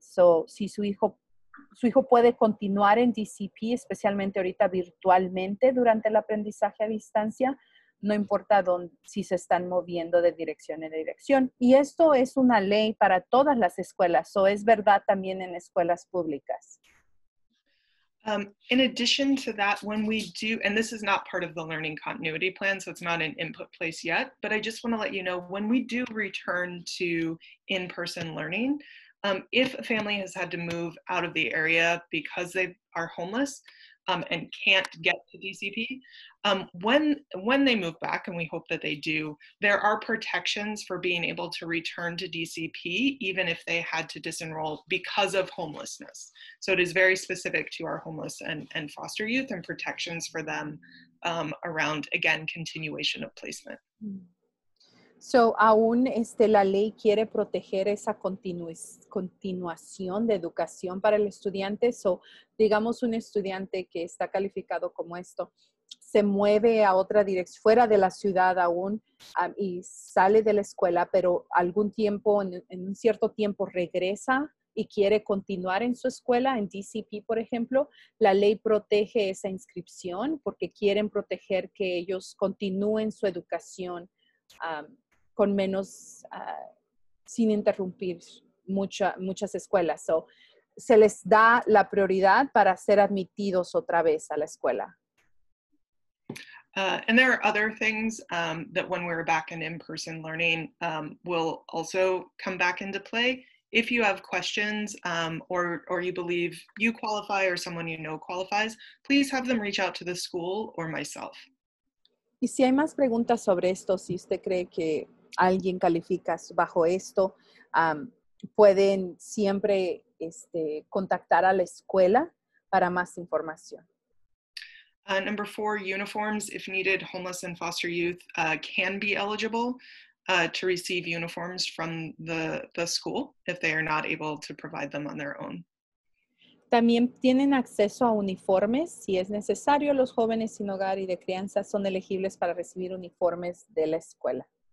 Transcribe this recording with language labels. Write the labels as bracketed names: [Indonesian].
[Spanish] So, si su hijo puede continuar en DCP, especialmente ahorita virtualmente durante el aprendizaje a distancia, no importa dónde, si se están moviendo de dirección en dirección. Y esto es una ley para todas las escuelas, o es verdad también en escuelas públicas. [English] In addition to that, when we do, and this is not part of the learning continuity plan, so it's not an input place yet, but I just want to let you know, when we do return to in-person learning, if a family has had to move out of the area because they are homeless and can't get to DCP, when they move back, and we hope that they do, there are protections for being able to return to DCP even if they had to disenroll because of homelessness. So it is very specific to our homeless and foster youth and protections for them around, again, continuation of placement. [Spanish] So aún la ley quiere proteger esa continuación de educación para el estudiante. So digamos un estudiante que está calificado como esto, se mueve a otra dirección, fuera de la ciudad aún, y sale de la escuela, pero algún tiempo, en un cierto tiempo regresa y quiere continuar en su escuela, en DCP, por ejemplo, la ley protege esa inscripción porque quieren proteger que ellos continúen su educación con menos, sin interrumpir muchas escuelas. So, se les da la prioridad para ser admitidos otra vez a la escuela. [English] And there are other things that when we're back in in-person learning will also come back into play. If you have questions or you believe you qualify or someone you know qualifies, please have them reach out to the school or myself. [Spanish] Y si hay más preguntas sobre esto, si usted cree que alguien califica bajo esto, pueden siempre contactar a la escuela para más información. [English] Number four, uniforms. If needed, homeless and foster youth can be eligible to receive uniforms from the school if they are not able to provide them on their own. [Spanish] También tienen acceso a uniformes. Si es necesario, los jóvenes sin hogar y de crianza son elegibles para recibir uniformes de la escuela.